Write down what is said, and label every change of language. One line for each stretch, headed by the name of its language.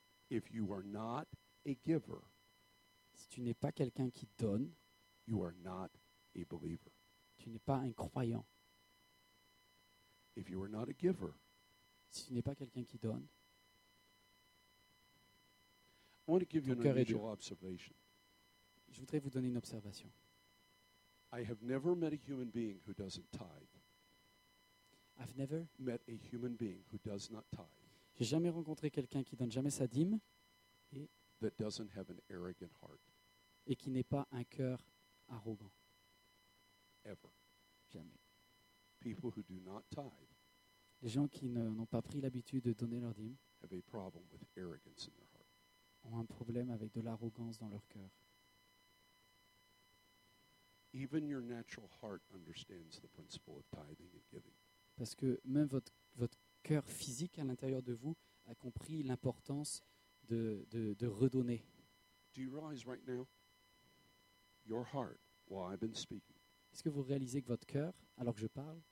English: If you are not a giver,
French: si tu n'es pas quelqu'un qui donne,
English: you are not a believer.
French: Tu n'es pas un croyant.
English: If you are not a giver,
French: si tu n'es pas quelqu'un qui donne,
English: I want to give you an unusual observation.
French: Je voudrais vous donner une observation.
English: I have never met a human being who doesn't tithe. I've never met a human being who does not tithe.
French: J'ai jamais rencontré quelqu'un qui donne jamais sa dîme et
English: that doesn't have an arrogant heart.
French: Et qui n'est pas un cœur arrogant.
English: ever.
French: Jamais.
English: People who do not tithe.
French: Les gens qui n'ont pas pris l'habitude de donner leur dîme.
English: Have a problem with arrogance in their heart.
French: Ont un problème avec de l'arrogance dans leur cœur.
English: Even your natural heart understands the principle of tithing and giving.
French: Parce que même votre cœur physique à l'intérieur de vous a compris l'importance de redonner.
English: Do you realize right now your heart, while I've been speaking,
French: est-ce que vous réalisez que votre cœur, alors que je parle,